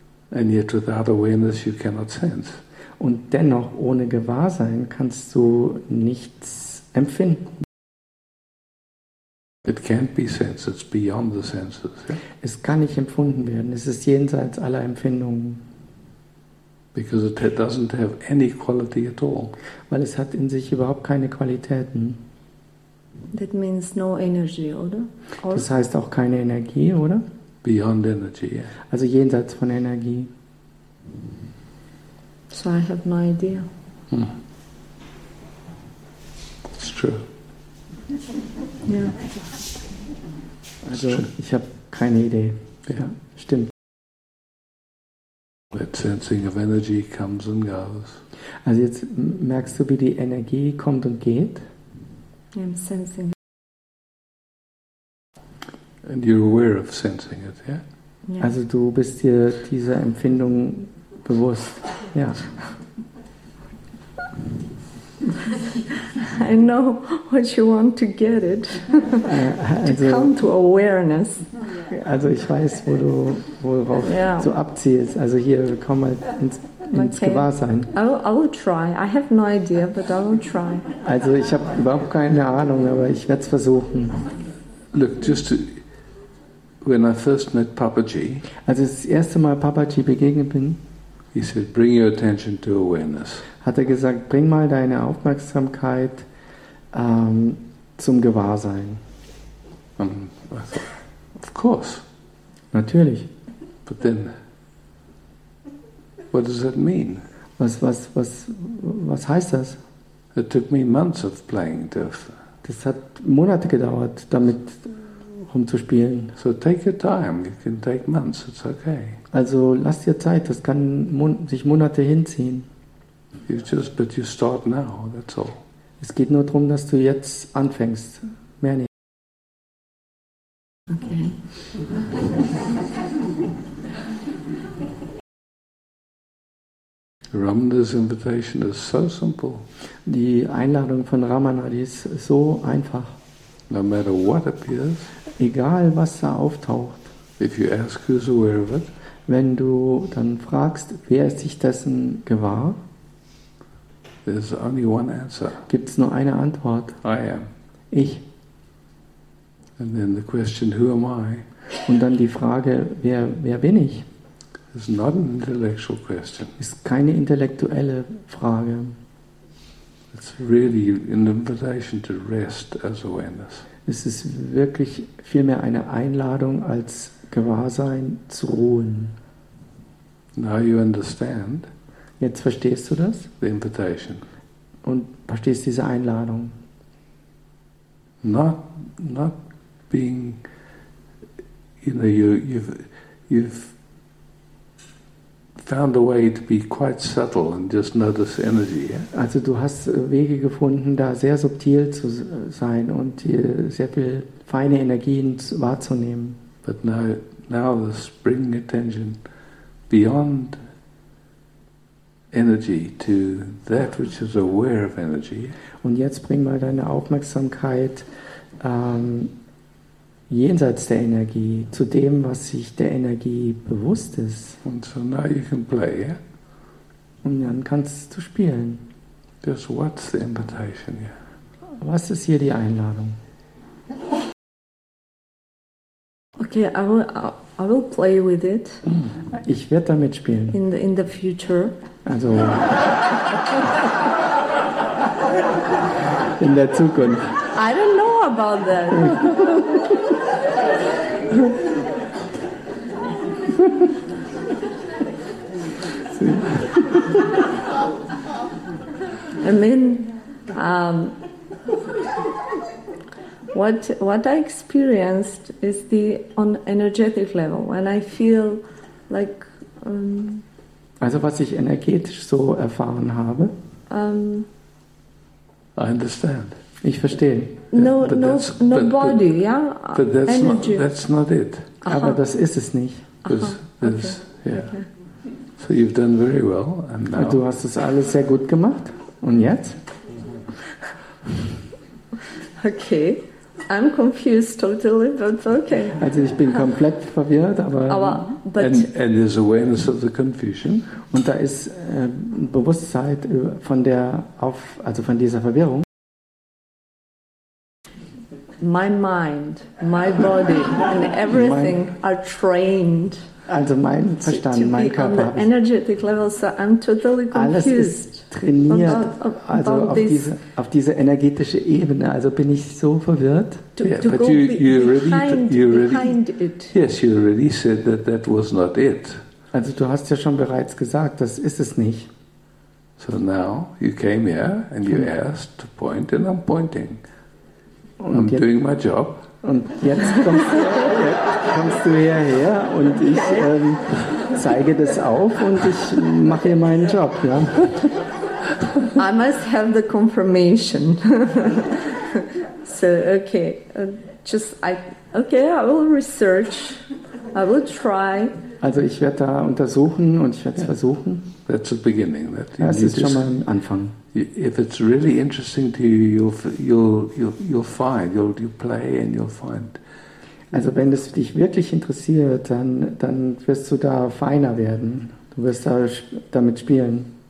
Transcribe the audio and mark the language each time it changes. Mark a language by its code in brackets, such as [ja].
[en] And yet without awareness you cannot sense. [de] Und dennoch ohne Gewahrsein kannst du nichts empfinden. [en] It can't be sensed, it's beyond the senses. [de] Es kann nicht empfunden werden, es ist jenseits aller Empfindungen. [en] Because it doesn't have any quality at all. [de] Weil es hat in sich überhaupt keine Qualitäten. [en] That means no energy, [de] oder? Das heißt auch keine Energie, oder? [en] Beyond energy, yeah. [de] Also jenseits von Energie. [en] So I have no idea. It's true. Yeah. [de] Also ich habe keine Idee. [en] Yeah. [de] Ja, stimmt. [en] That sensing of energy comes and goes. [de] Also jetzt merkst du, wie die Energie kommt und geht. [en] I'm sensing. And you're aware of sensing it, yeah? [de] Also du bist dir dieser Empfindung bewusst, ja. [en] I know what you want to get it. [de] Also, [en] to come to awareness. [de] Also ich weiß, wo du worauf [en] yeah. [de] du abziehst. Also hier, komm mal ins [en] okay. [de] Gewahrsein. [en] I'll try. I have no idea, but I will try. [de] Also ich habe überhaupt keine Ahnung, aber ich werde es versuchen. [en] Look, just to, when I first met Papaji. [de] Als ich das erste Mal Papaji begegnet bin. [en] He said, bring your attention to awareness. [de] Hat er gesagt, bring mal deine Aufmerksamkeit zum Gewahrsein. [en] Of course. [de] Natürlich. [en] But then, what does that mean? [de] Was heißt das? [en] It took me months of playing deaf. [de] Das hat Monate gedauert, damit rumzuspielen. [en] So take your time. It can take months. It's okay. [de] Also lass dir Zeit. Das kann sich Monate hinziehen. [en] But you start now. That's all. [de] Es geht nur darum, dass du jetzt anfängst. Mehr nicht. [en] Okay. Ramana's invitation is so simple. [de] Die Einladung von Ramana, die ist so einfach. [en] No matter what appears. [de] Egal was da auftaucht. [en] If you ask who's aware of it. [de] Wenn du dann fragst, wer ist sich dessen gewahr? [en] There's only one answer. [de] Gibt's nur eine Antwort? [en] I am. [de] Ich. [en] And then the question, who am I? [de] Und dann die Frage, wer bin ich? [en] It's not an intellectual question. [de] Ist keine intellektuelle Frage. [en] It's really an invitation to rest as awareness. [de] Es ist wirklich vielmehr eine Einladung als Gewahrsein zu ruhen. [en] Now you understand. [de] Jetzt verstehst du das? [en] The invitation. [de] Und verstehst diese Einladung? [en] Not being, you know, you've found a way to be quite subtle and just notice energy. Yeah? [de] Also du hast Wege gefunden, da sehr subtil zu sein und sehr viel feine Energien wahrzunehmen. [en] But now this bringing attention beyond energy to that which is aware of energy. [de] Und jetzt bring mal deine Aufmerksamkeit jenseits der Energie, zu dem, was sich der Energie bewusst ist. [en] And so now you can play, yeah? [de] Und dann kannst du spielen. [en] Just what's the invitation, yeah? [de] Was ist hier die Einladung? [en] Okay, I will play with it. [de] Ich werde damit spielen. [en] In the future. [de] Also in der Zukunft. [en] I don't know about that. I mean, what I experienced is the on energetic level when I feel like. [de] Also was ich energetisch so erfahren habe. [en] I understand. [de] Ich verstehe. [en] No body, yeah. But that's not it. [de] Aha. Aber das ist es nicht. [en] This, okay. Yeah. Okay. So you've done very well, and now. [de] Du hast es alles sehr gut gemacht. Und jetzt? [en] Okay. I'm confused totally, but okay. [de] Also ich bin komplett verwirrt, aber [en] and there's awareness of the confusion. [de] Und da ist Bewusstsein von dieser Verwirrung. [en] my mind, my body and everything are trained. [de] Also mein Verstand, [en] to be [de] mein Körper. [en] On the energetic level, so I'm totally confused. [de] Alles ist trainiert, also auf diese energetische Ebene. Also bin ich so verwirrt. [en] Yes, you really said that that was not it. [de] Also du hast ja schon bereits gesagt, das ist es nicht. [en] So now you came here and you asked to point and I'm pointing. I'm [de] jetzt, [en] doing my job. [de] Und jetzt kommst du hierher und ich zeige das auf und ich mache hier meinen Job. Ja. [en] I must have the confirmation. So, okay. I will research. I will try. [de] Also ich werde da untersuchen und ich werde es versuchen. [en] That's the beginning. [de] Das ist schon mal ein Anfang. [en] If it's really interesting to you, you'll find, you'll play and you'll find. [de] Also wenn es dich wirklich interessiert, dann wirst du da feiner werden. Du wirst da damit spielen.